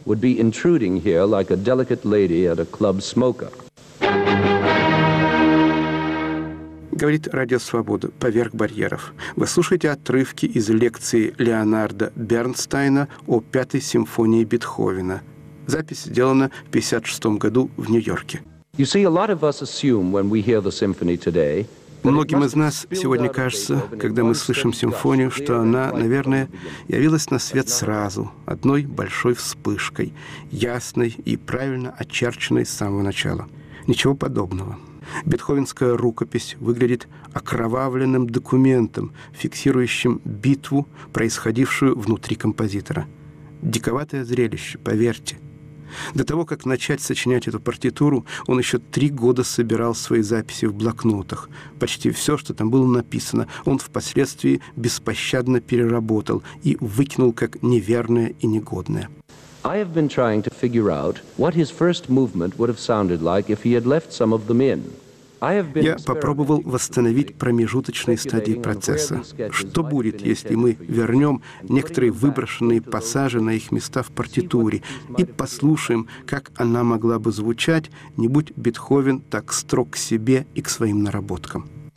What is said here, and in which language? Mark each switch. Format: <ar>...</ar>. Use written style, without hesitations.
<ru>Говорит Радио Свобода, поверх барьеров. Вы слушаете отрывки из лекции Леонарда Бернстайна о пятой симфонии Бетховена. Запись сделана в 1956 году в Нью-Йорке.</ru> <en>You see, a lot of us assume when we hear the symphony today.</en> <ru>Многим из нас сегодня кажется, когда мы слышим симфонию, что она, наверное, явилась на свет сразу, одной большой вспышкой, ясной и правильно очерченной с самого начала. Ничего подобного. Бетховенская рукопись выглядит окровавленным документом, фиксирующим битву, происходившую внутри композитора. Диковатое зрелище, поверьте. До того, как начать сочинять эту партитуру, он еще 3 года собирал свои записи в блокнотах. Почти все, что там было написано, он впоследствии беспощадно переработал и выкинул как неверное и негодное.</ru> <en>I have been trying to figure out what his first movement would have sounded like if he had left some of them in.</en> <ru>Я попробовал восстановить промежуточные стадии процесса. Что будет, если мы вернем некоторые выброшенные пассажи на их места в партитуре и послушаем, как она могла бы звучать, не будь Бетховен так строг к себе и к своим наработкам.</ru>